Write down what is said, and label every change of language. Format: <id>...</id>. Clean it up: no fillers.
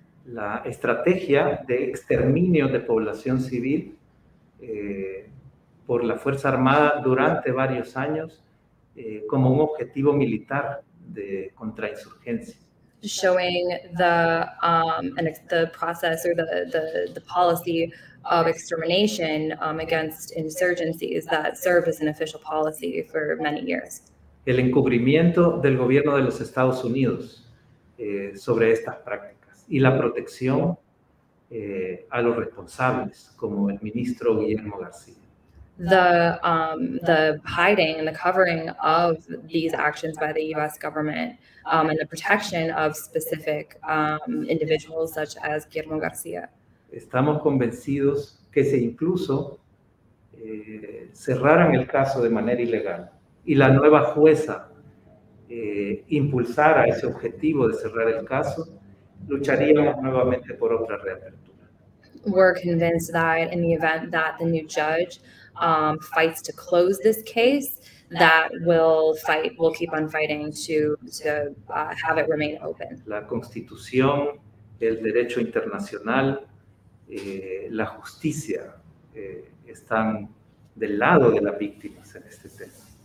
<es>La estrategia de exterminio de población civil por la Fuerza Armada durante varios años como un objetivo militar de contrainsurgencia.</es> <en>Showing the process or the policy of extermination against insurgencies that served as an official policy for many years.</en> <es>El encubrimiento del gobierno de los Estados Unidos sobre estas prácticas y la protección a los responsables, como el ministro Guillermo García.</es> <en>The hiding and the covering of these actions by the U.S. government and the protection of specific individuals such as Guillermo García.</en> <es>Estamos convencidos que si incluso cerraran el caso de manera ilegal y la nueva jueza impulsara ese objetivo de cerrar el caso, lucharíamos nuevamente por otra reapertura.</es> <en>We're convinced that in the event that the new judge fights to close this case, that we'll keep on fighting to have it remain open.</en> <es>La Constitución, el derecho internacional, la justicia están del lado de las víctimas en este tema.</es>